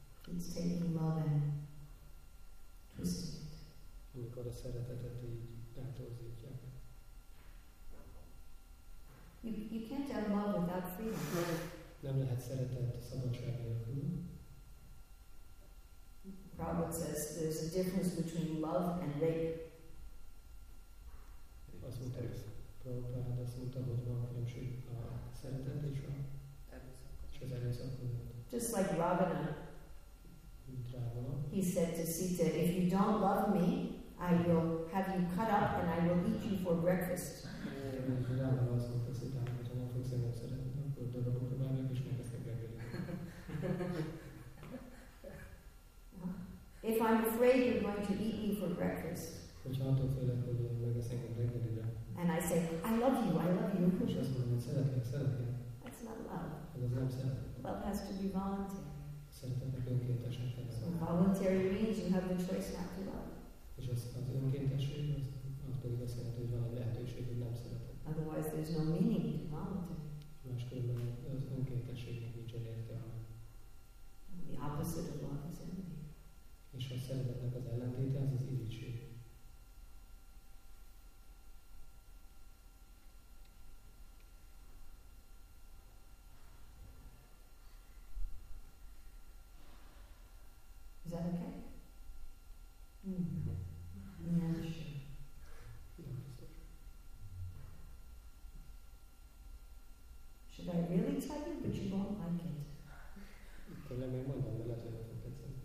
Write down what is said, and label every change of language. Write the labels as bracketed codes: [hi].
[en] It's taking love and twisting it. [hu] Amikor a szeretetet így eltorzítják. [en] You can't have love without freedom. [hu] Nem lehet szeretet szabadság nélkül. [en] Prabhupada says there's a difference between love and rape. [hu] Azt mondta, Prabhupada azt mondta, hogy van különbség a szeretet és a erőszakot. [en] Just like Ravana, he said to Sita, if you don't love me, I will have you cut up and I will eat you for breakfast. [hu] Ravana azt mondta Sita, hogy nem fogsz engem szeretni, akkor dolgokat vágjak és meg ezt meg engedjük. [en] If I'm afraid you're going to eat me for breakfast, [hu] hogy attól félek, hogy meg eszem a reggelire, [en] and I say, I love you, I love you. [hu] És azt mondom, hogy szeretlek, szeretlek. [en] That's not love. [hu] Ez nem szeretet. [en] Love has to be voluntary. [hu] Szeretetnek önkéntesen kell lenni. [en] So voluntary means you have the choice not to love. [hu] És az önkéntesség, az pedig azt jelenti, hogy van egy lehetőség, hogy nem szeretem. [en] Otherwise there's no meaning to voluntary. [hu] Máskülönben az önkéntességnek nincsen értelme. [en] The opposite of love is envy. [hu] És a szeretetnek az ellentéte az az irítség. [en] Is that okay? Should I really tell you, but you won't like it? [hu] Tőle még mondom, de lehet, hogy nem fog tetszeni.